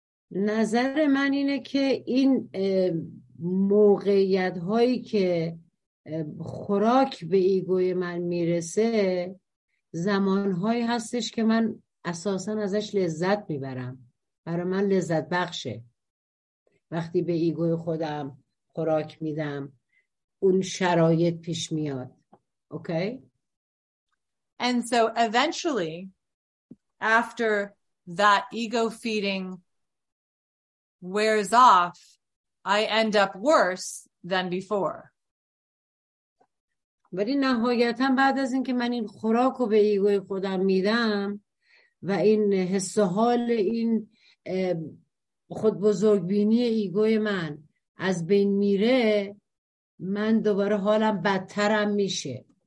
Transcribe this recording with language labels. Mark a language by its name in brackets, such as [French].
[Persian] نظر من اینه که این موقعیت هایی که خوراک به ایگوی من میرسه زمان هایی هستش که من اساسا ازش لذت میبرم، برای من لذت بخشه وقتی به ایگوی خودم خوراک میدم اون شرایط پیش میاد. [English] Okay And so eventually after that ego feeding wears off I end up worse than before. [Persian] ولی نهایتاً بعد از اینکه من این خوراک رو به ایگوی خودم میدم و این حس و حال این خود بزرگبینی ایگوی من از بین میره من دوباره حالم بدترم میشه.